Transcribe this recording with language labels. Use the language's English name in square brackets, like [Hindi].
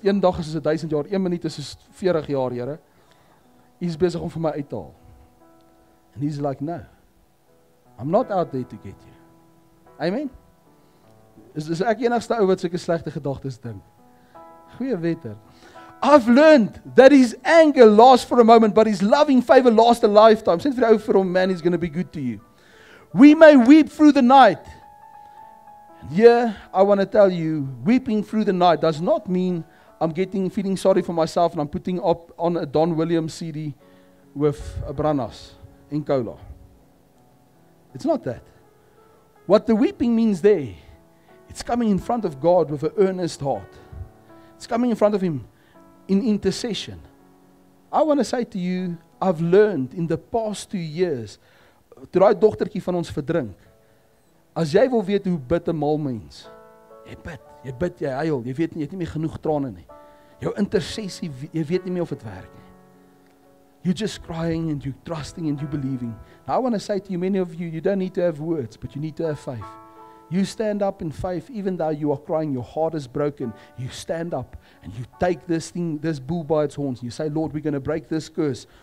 [Afrikaans] Een dag is soos 1000 jaar, een minuut is soos 40 jaar, Here. He's besig om vir my uit te haal. [English] And he's like, no, I'm not out there to get you. Amen? [Afrikaans] Is ek enigste ou wat sulke slegte gedagtes dink? Goeie wetter. [English] I've learned that his anger lasts for a moment, but his loving favor lasts a lifetime. [Afrikaans] Sê vir die ou vir hom, man, [English] he's going to be good to you. We may weep through the night. Yeah, I want to tell you, weeping through the night does not mean I'm feeling sorry for myself and I'm putting up on a Don Williams CD with a Branas in cola. It's not that. What the weeping means there, it's coming in front of God with an earnest heart. It's coming in front of him in intercession. I want to say to you, I've learned in the past 2 years, [Afrikaans] toe daai dogtertjie van ons verdrink, as jy wil weet hoe bid 'n mal mens, jy bid, jy huil, jy weet nie, jy het nie meer genoeg trane nie. Jou intercessie, jy weet nie meer of dit werk nie. [English] You're just crying and you're trusting and you're believing. Now I want to say to you, many of you, you don't need to have words, but you need to have faith. You stand up in faith, even though you are crying, your heart is broken. You stand up and you take this thing, this bull by its horns. And you say, Lord, we're going to break this curse.